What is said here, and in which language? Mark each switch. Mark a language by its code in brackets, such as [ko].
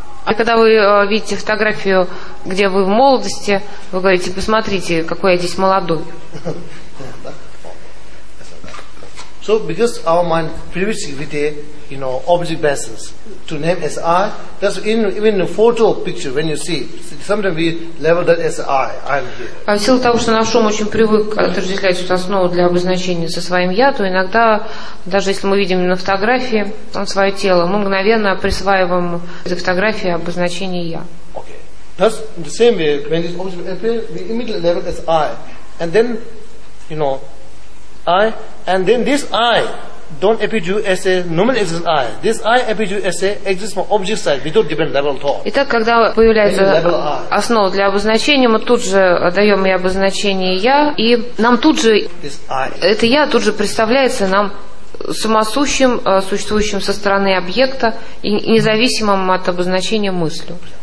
[ru] И когда вы видите фотографию, где вы в молодости, вы говорите, посмотрите, какой я здесь молодой. [en] So because our mind previously with a, you know, object basis to name as I, that's in even the photo picture when you see, sometimes we label that as I, I'm here. [ru] А в силу того, что наш ум очень привык отождествлять эту основу для обозначения со своим «я», то иногда, даже если мы видим на фотографии свое тело, мы мгновенно присваиваем из фотографии обозначение «я». [en] Okay. That's the same way, when this object appears, we immediately label as I. And then, you know, I, and then this I don't appear to you as a normal existence I. This I appears to you as a existence from object side without given level thought. [ru] Итак, когда появляется основа для обозначения, мы тут же даем ей обозначение «я», и нам тут же это «я» тут же представляется нам самосущим, существующим со стороны объекта и независимым от обозначения мыслью.